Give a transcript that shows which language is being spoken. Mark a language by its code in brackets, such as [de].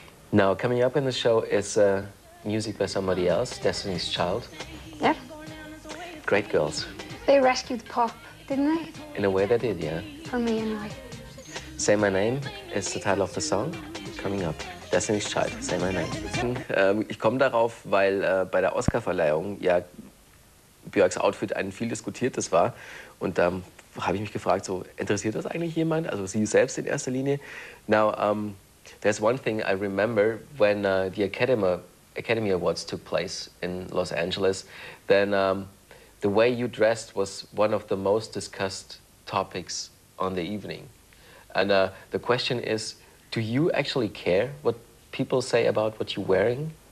[en] Now, coming up in the show is music by somebody else, Destiny's Child. Yeah. Great girls. They rescued pop, didn't they? In a way they did, yeah. For me anyway. Say My Name is the title of the song. Coming up, Destiny's Child, Say My Name. [de] Ich komme darauf, weil bei der Oscarverleihung ja Björks Outfit ein viel diskutiertes war. Und da habe ich mich gefragt, so interessiert das eigentlich jemand? Also sie selbst in erster Linie. [en] Now, there's one thing I remember when the Academy Awards took place in Los Angeles. Then the way you dressed was one of the most discussed topics on the evening. And the question is, do you actually care what people say about what you're wearing?